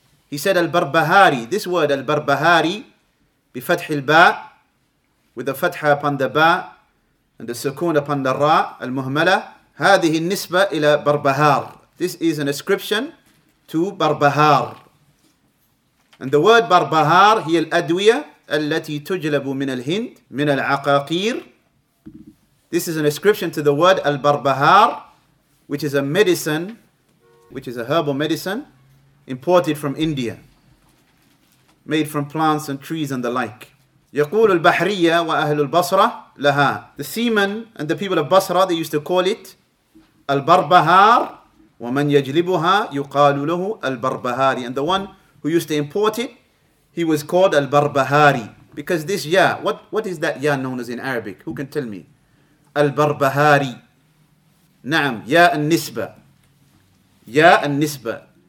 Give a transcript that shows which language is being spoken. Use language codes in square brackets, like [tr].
[en] He said, Al-Barbahari, this word Al-Barbahari, [ar] بفتح الباء, [en] with the fatha upon the ba, and the sukun upon the ra, Al-Muhmala, [ar] هذه النسبة إلى [en] Barbahar. This is an ascription to Barbahar. And the word [ar] Barbahar, هي الأدوية التي تجلب من الهند, من العقاقير. [en] This is an ascription to the word al-barbahar, which is a medicine, which is a herbal medicine, imported from India, made from plants and trees and the like. [ar] يقول البحرية وأهل البصرة لها. [en] The seamen and the people of Basra, they used to call it al-barbahar, [ar] ومن يجلبها يقال له al-barbahari. [en] And the one who used to import it, he was called al-barbahari. Because this ya, what is that ya known as in Arabic? Who can tell me? Al-Barbahari. Na'am, Ya al-Nisba. Ya al-Nisba.